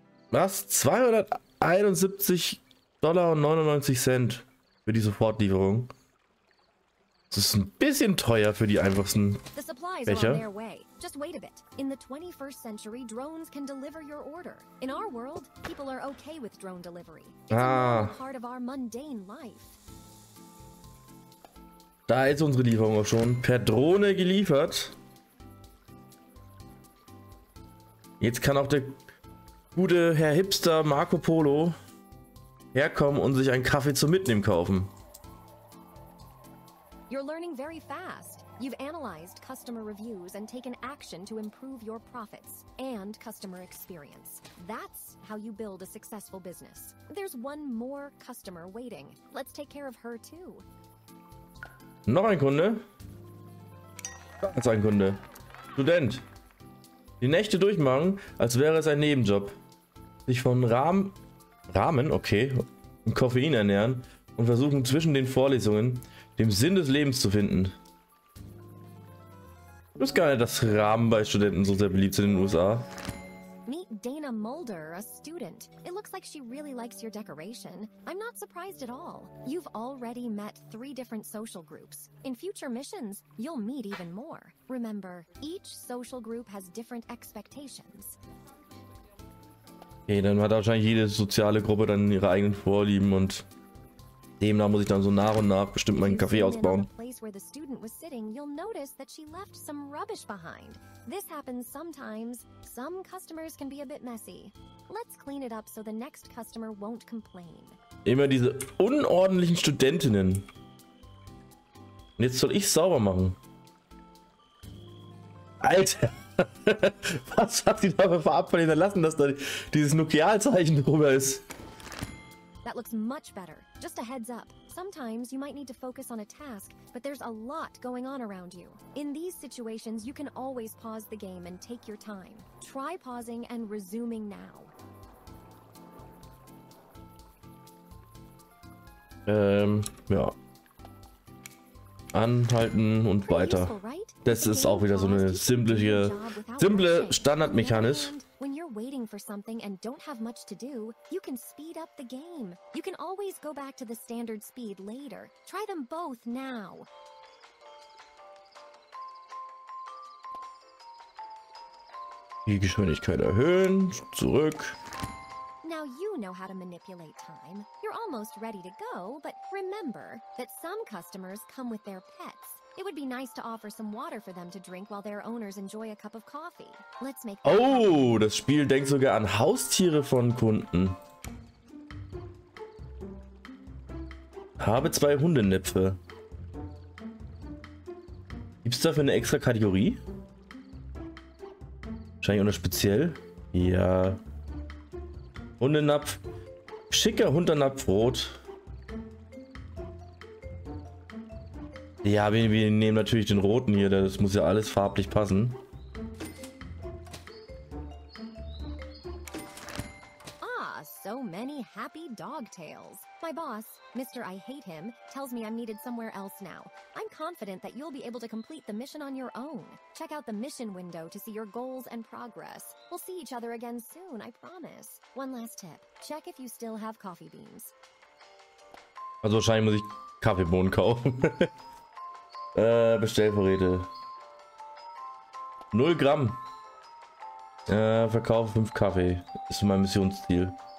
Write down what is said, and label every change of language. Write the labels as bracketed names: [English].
[German] Was? $271.99 für die Sofortlieferung. Das ist ein bisschen teuer für die einfachsten Becher. [English] Just wait a bit. In the 21st century, drones can deliver your order. In our world, people are okay with drone delivery. It's a part of our mundane life. [German] Da ist unsere Lieferung auch schon per Drohne geliefert. Jetzt kann auch der gute Herr Hipster Marco Polo herkommen und sich einen Kaffee zum Mitnehmen kaufen. [English] You're learning very fast. You've analyzed customer reviews and taken action to improve your profits and customer experience. That's how you build a successful business. There's one more customer waiting. Let's take care of her too. [German] Noch ein Kunde? Da ist ein Kunde. Student. Die Nächte durchmachen, als wäre es ein Nebenjob. Sich von Ramen, okay, und Koffein ernähren und versuchen zwischen den Vorlesungen den Sinn des Lebens zu finden. Ich wusste gar nicht, dass Ramen bei Studenten so sehr beliebt sind in den USA. [English] Meet Dana Mulder, a student. It looks like she really likes your decoration. I'm not surprised at all. You've already met three different social groups. In future missions, you'll meet even more. Remember, each social group has different expectations. [German] Okay, dann hat wahrscheinlich jede soziale Gruppe dann ihre eigenen Vorlieben und demnach muss ich dann so nach und nach bestimmt meinen Kaffee ausbauen. [English] Sitting, you'll notice that she left some rubbish behind. This happens sometimes. Some customers can be a bit messy. Let's clean it up so the next customer won't complain. [German] Immer diese unordentlichen Studentinnen. Und jetzt soll ich sauber machen. Alter. Was hat sie da für Farbe hinterlassen, dass da dieses Nuklearzeichen drüber ist? [English] That looks much better. Just a heads up. Sometimes you might need to focus on a task, but there's a lot going on around you. In these situations, you can always pause the game and take your time. Try pausing and resuming now. [German] Ja. Anhalten und weiter. Das ist auch wieder so eine simple Standardmechanik. [English] When you're waiting for something and don't have much to do, you can speed up the game. You can always go back to the standard speed later. Try them both now. [German] Die Geschwindigkeit erhöhen, zurück. [English] Now you know how to manipulate time. You're almost ready to go, but remember that some customers come with their pets. It would be nice to offer some water for them to drink while their owners enjoy a cup of coffee. Let's make [German] Oh, das Spiel denkt sogar an Haustiere von Kunden. Habe zwei Hundenäpfe. Gibt's dafür eine extra Kategorie? Wahrscheinlich oder speziell? Ja. Hundenapf. Schicker Hundenapfrot. Ja, wir nehmen natürlich den roten hier, das muss ja alles farblich passen. [English] Ah, so many happy dog tales. My boss, Mr. I Hate Him, tells me I'm needed somewhere else now. I'm confident that you'll be able to complete the mission on your own. Check out the mission window to see your goals and progress. We'll see each other again soon, I promise. One last tip. Check if you still have coffee beans. [German] Also wahrscheinlich muss ich Kaffeebohnen kaufen. Bestellvorräte. 0 Gramm. Verkaufe 5 Kaffee. Ist mein Missionsziel.